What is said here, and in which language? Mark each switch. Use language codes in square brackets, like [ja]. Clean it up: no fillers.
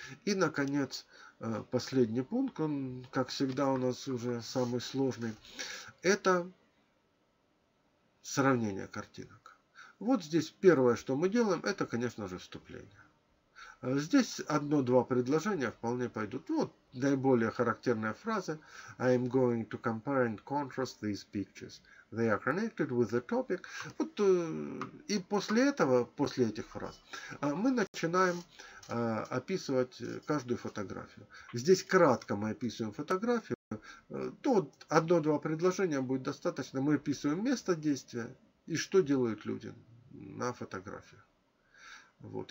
[ru] И, наконец, последний пункт, он, как всегда, у нас уже самый сложный. Это сравнение картинок. Вот здесь первое, что мы делаем, это, конечно же, вступление. Здесь одно-два предложения вполне пойдут. Вот наиболее характерная фраза. [en] I am going to compare and contrast these pictures. They are connected with the topic. [ru] Вот, и после этого, после этих фраз, мы начинаем описывать каждую фотографию. Здесь кратко мы описываем фотографию. Тут одно-два предложения будет достаточно. Мы описываем место действия и что делают люди на фотографиях. Вот.